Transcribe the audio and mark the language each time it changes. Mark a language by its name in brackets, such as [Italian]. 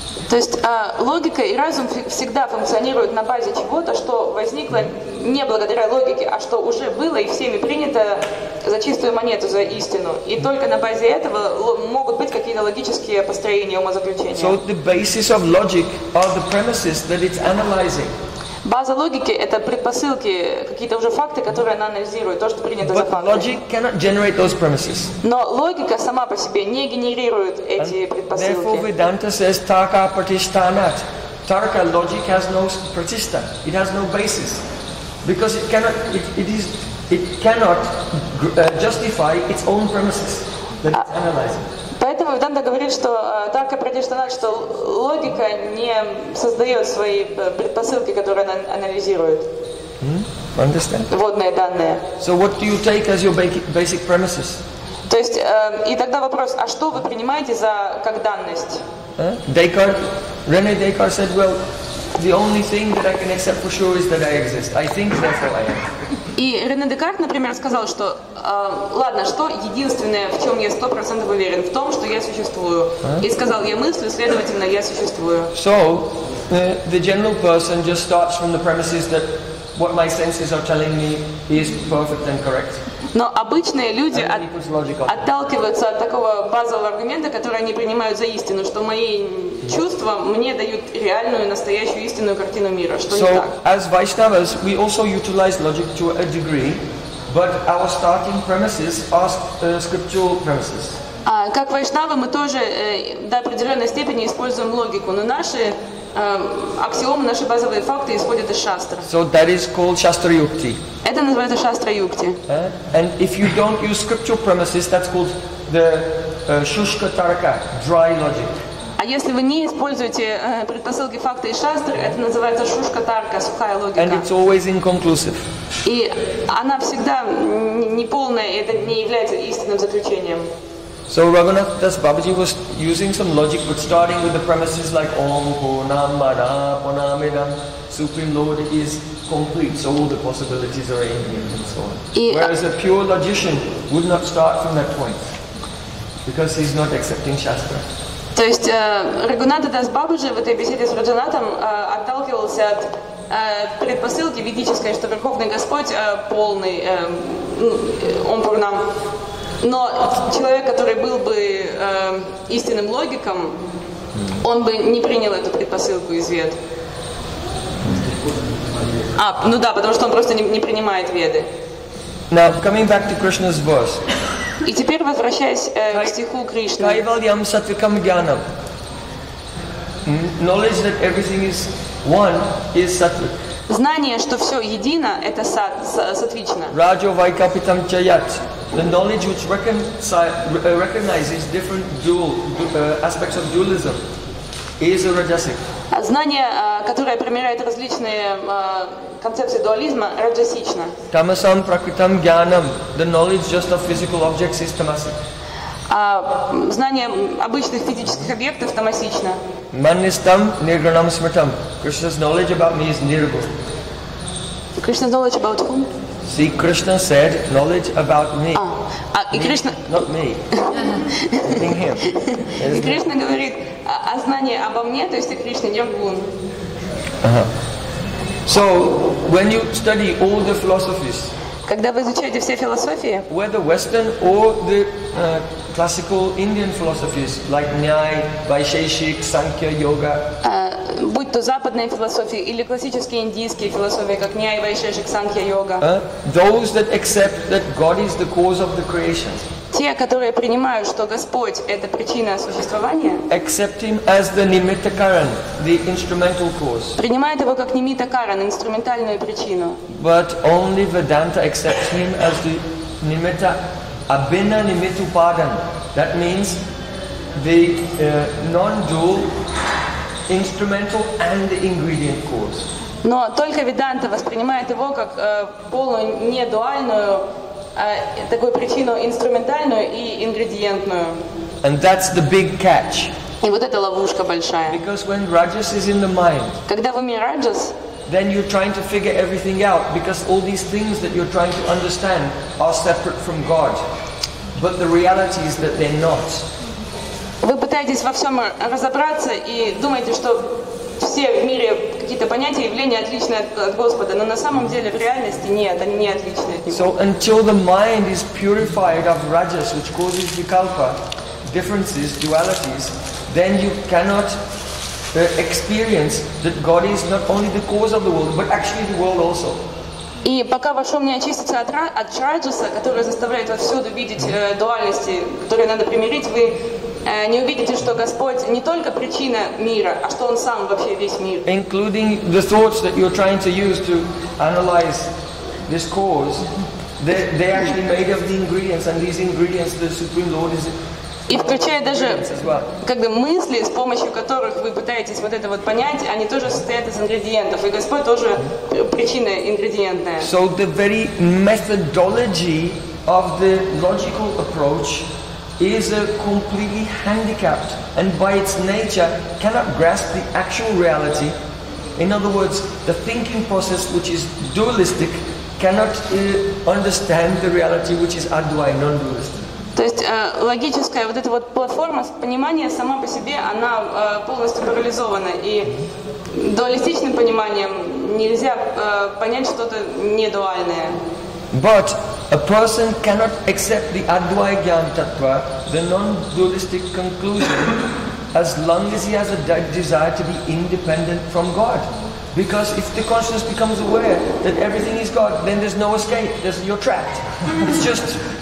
[Russian] То есть логика и разум всегда функционируют на базе чего-то, что возникло не благодаря логике, а что уже было и всеми принято за чистую монету, за истину. И только на базе этого могут быть какие-то логические построения, умозаключения. [English] So the basis of logic are the premises that it's analyzing. [Russian] База логики — это предпосылки, какие-то уже факты, которые она анализирует, то, что принято за факты. [English] Logic cannot generate those premises. [Russian] Но логика сама по себе не генерирует эти предпосылки. [English] Therefore, Vedanta says, [Sanskrit] Tarka Pratishthanat. [English] Tarka, logic, has no pratishtha. It has no basis. Because it cannot justify its own premises that it's analyzing. [Russian] Поэтому Веданта говорит, что так и протиштанат, что логика не создает свои предпосылки, которые она анализирует. Вводные данные. [English] So what do you take as your basic premises? [Russian] То есть, и тогда вопрос, а что вы принимаете за как данность? [English] Рене Декарт said, well, the only thing that I can accept for sure is that I exist. I think that's all I am. [Russian] И Рене Декарт, например, сказал, что ладно, что единственное, в чем я 100% уверен, в том, что я существую. И сказал, я мыслю, следовательно, я существую. [English] So, the general person just starts from the premises that what my senses are telling me is perfect and correct. [Russian] Но обычные люди отталкиваются от такого базового аргумента, который они принимают за истину, что мои чувства мне дают реальную, настоящую, истинную картину мира, что [English] so, So, as Vaishnavas, we also utilize logic to a degree, but our starting premises are scriptural premises. [Russian] Как Вайшнавы, мы тоже до определенной степени используем логику, но наши аксиомы, наши базовые факты исходят из шастры. [English] So that is called shastra yukti. [Russian] Это называется шастра юкти. [English] And if you don't use scriptural premises, that's called the shushka tarka, dry logic. [Russian] А если вы не используете предпосылки, факты из шастры, это называется шушка тарка, сухая логика. [English] And it's always inconclusive. [Russian] И она всегда неполная, и это не является истинным заключением. [English] So Raghunath Das Babaji was using some logic, but starting with the premises like [Sanskrit] Om Purnam Bada Purnam Idam, [English] Supreme Lord is complete, so all the possibilities are infinite and so on. Whereas a pure logician would not start from that point, because he's not accepting Shastra. [Russian] То есть Рагхунат Дас Бабаджи в этой беседе с Раджанатом отталкивался от предпосылки ведической, что Верховный Господь полный, Ом Пурнам. Но человек, который был бы истинным логиком, он бы не принял эту предпосылку из вед. А, ну да, потому что он просто не принимает веды. [English] Now, coming back to Krishna's verse. [Russian] И теперь возвращаясь к стиху Кришны. [Sanskrit] Кайвальям саттвикам гьянам. [English] Knowledge that everything is one is саттвик. [Russian] Знание, что все едино, это саттвично. [Sanskrit] Раджо вайкапитам чаят. [English] The knowledge which recognizes different aspects of dualism is a rajasic. [Russian] Знание, которое примиряет различные концепции дуализма, раджасично. [Sanskrit] Тамасам пракритам гьянам. [English] The knowledge just of physical objects is tamasic. [Russian] Знание обычных физических объектов тамасично. [Sanskrit] Маннистам нирганам смртам. [English] Krishna's knowledge about me is nirguna. Krishna's knowledge about whom? See, Krishna said, knowledge about me. Krishna... Not me. Meaning him. [Russian] И Кришна говорит о знании обо мне, то есть о Кришне, ниргун. [English] So, when you study all the philosophies, [Russian] когда вы изучаете все философии, [English] whether Western or the classical Indian philosophies, like Nyaya, Vaisheshik, Sankhya, Yoga, [Russian] будь то западные философии или классические индийские философии, как Ньяй, Вайшешик, Санхья, Йога. [English] Those that accept that God is the cause of the creation. [Russian] Те, которые принимают, что Господь — это причина существования. [English] Accept Him as the Nimitta Karan, the instrumental cause. [Russian] Принимают Его как Nimitta Karan, инструментальную причину. [English] But only Vedanta accepts Him as the Nimitta, Abhinna Nimittu Padan. That means the non-dual instrumental and the ingredient cause. [Russian] Но только Веданта воспринимает его как полную недуальную, такую причину инструментальную и ингредиентную. [English] And that's the big catch. [Russian] И вот эта ловушка большая. [English] Because when Rajas is in the mind, [Russian] когда в уме Раджас, [English] then you're trying to figure everything out, because all these things that you're trying to understand are separate from God. But the reality is that they're not. [Russian] Вы пытаетесь во всем разобраться и думаете, что все в мире какие-то понятия, явления отличны от Господа, но на самом деле в реальности нет, они не отличны от Него. [English] So until the mind is purified of rajas, which causes vikalpa, differences, dualities, then you cannot experience that God is not only the cause of the world, but actually the world also. [Russian] И пока ваш ум не очистится от раджаса, который заставляет вас всюду видеть дуальности, которые надо примирить, вы не увидите, что Господь не только причина мира, а что Он сам вообще весь мир. [English] Including the thoughts that you're trying to use to analyze this cause, they're actually made of the ingredients, and these ingredients the Supreme Lord is. [Russian] И включая даже как бы мысли, с помощью которых вы пытаетесь вот это вот понять, они тоже состоят из ингредиентов, и Господь тоже причина ингредиентная. [English] So the very methodology of the logical approach is a completely handicapped and by its nature cannot grasp the actual reality. In other words, the thinking process which is dualistic cannot understand the reality which is advaita, non-dualistic. [Russian] То есть логическая вот эта вот платформа понимания сама по себе, она полностью парализована. И дуалистичным пониманием нельзя понять что-то недуальное. [English] But a person cannot accept the advaita gyan tattva, the non-dualistic conclusion, as long as he has a desire to be independent from God. Because if the consciousness becomes aware that everything is God, then there's no escape, you're trapped. It's just...